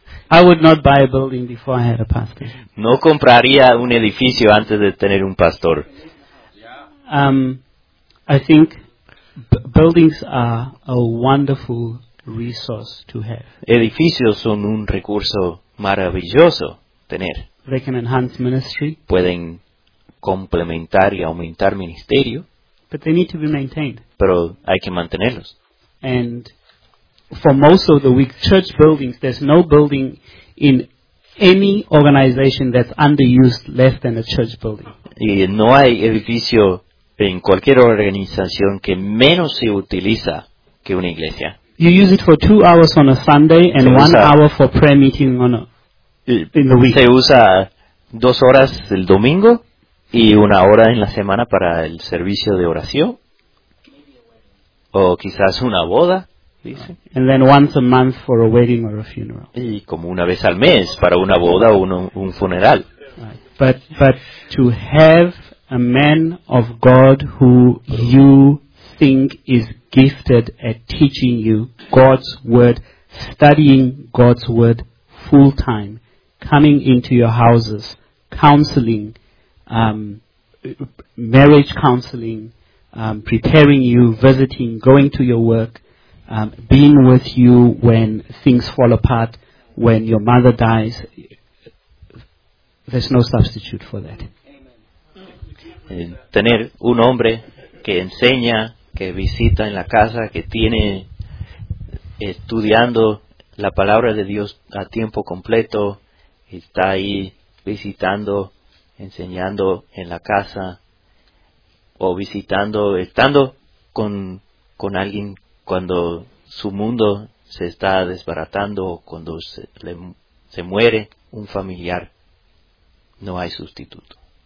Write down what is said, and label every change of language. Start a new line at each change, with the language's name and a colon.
English: I would not buy a building before I had a pastor.
Spanish: No compraría un edificio antes de tener un pastor.
English: I think buildings are a wonderful resource to have.
Spanish: Edificios son un recurso maravilloso tener.
English: They can enhance ministry.
Spanish: Pueden complementar y aumentar ministerio.
English: But they need to be maintained.
Spanish: Pero hay que mantenerlos.
English: And for most of the week, church buildings, there's no building in any organization that's underused less than a church building.
Spanish: Y no hay edificio en cualquier organización que menos se utiliza que una iglesia.
English: You use it for 2 hours on a Sunday and 1 hour for prayer meeting on in the week.
Spanish: Se usa 2 horas el domingo y 1 hora en la semana para el servicio de oración. O quizás una boda, dice.
English: And then once a month for a wedding or a funeral.
Spanish: Y como una vez al mes para una boda o un funeral.
English: Right. But to have a man of God who you think is gifted at teaching you God's word, studying God's word full time, coming into your houses, counseling, marriage counseling, preparing you, visiting, going to your work, being with you when things fall apart, when your mother dies, There's no substitute for that.
Spanish: Tener un hombre que enseña, que visita en la casa, que tiene estudiando la palabra de Dios a tiempo completo, está ahí visitando, enseñando en la casa, o visitando, estando con alguien cuando su mundo se está desbaratando, o cuando se muere un familiar, no hay sustituto.